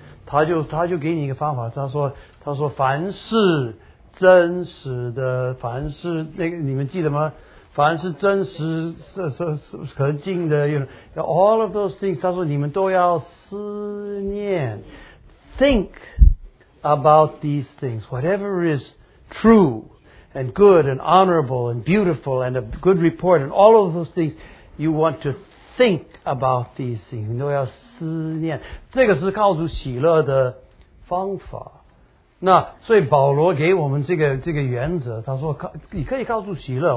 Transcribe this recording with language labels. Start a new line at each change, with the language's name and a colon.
Chinese: 他就给你一个方法，他说凡是真实的，凡是那个你们记得吗？凡是真实是可敬的
English: you know, ，all of those things，
Chinese: 他说你们都要思念
English: ，think about these things， whatever is true and good and honorable and beautiful and a good report and all of those things， you want to think about these things，
Chinese: 你都要思念。思念，这个是靠主喜乐的方法。那所以保罗给我们这个原则，他说你可以靠主喜乐。